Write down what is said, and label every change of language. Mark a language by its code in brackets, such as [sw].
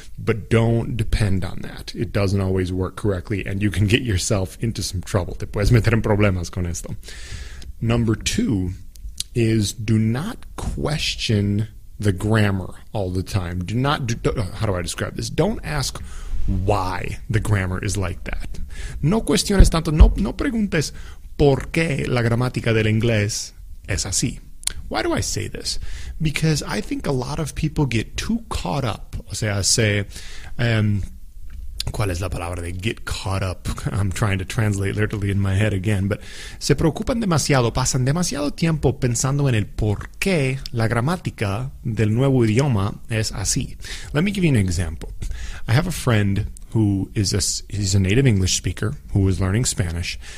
[en] But don't depend on that. It doesn't always work correctly, and you can get yourself into some trouble. [es] Te puedes meter en problemas con esto. [en] Number two is do not question the grammar all the time. How do I describe this? Don't ask why the grammar is like that. [es] No cuestiones tanto, no preguntes por qué la gramática del inglés es así. [en] Why do I say this? Because I think a lot of people get too caught up. [es] O sea, say, ¿cuál es la palabra de [en] get caught up? I'm trying to translate literally in my head again. [es] But se preocupan demasiado, pasan demasiado tiempo pensando en el por qué la gramática del nuevo idioma es así. [en] Let me give you an example. I have a friend who is he's a native English speaker who was learning Spanish.